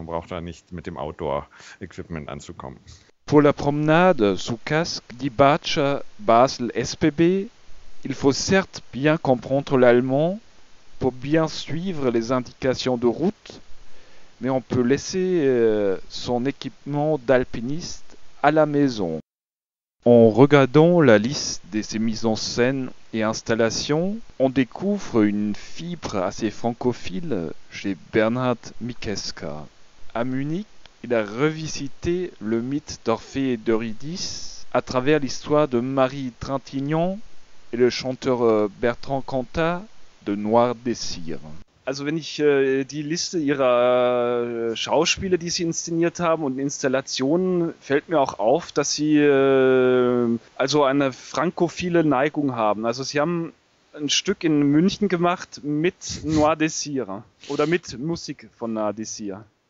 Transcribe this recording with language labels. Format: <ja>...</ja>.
<de>Man braucht da nicht mit dem Auto Equipment anzukommen.</de> <fr>Pour la promenade sous casque dit Batscha Basel SPB, il faut certes bien comprendre l'allemand pour bien suivre les indications de route, mais on peut laisser son équipement d'alpiniste à la maison. En regardant la liste de ses mises en scène et installations, on découvre une fibre assez francophile chez Bernhard Mikeska. À Munich, il a revisité le mythe d'Orphée et d'Eurydice à travers l'histoire de Marie Trintignant et le chanteur Bertrand Cantat de Noir des Cires.</fr> <de>Also, wenn ich die Liste ihrer Schauspiele, die sie inszeniert haben und Installationen, fällt mir auch auf, dass sie also eine frankophile Neigung haben. Also, sie haben ein Stück in München gemacht mit Noir des Cires oder mit Musik von Noir des Cires.</de>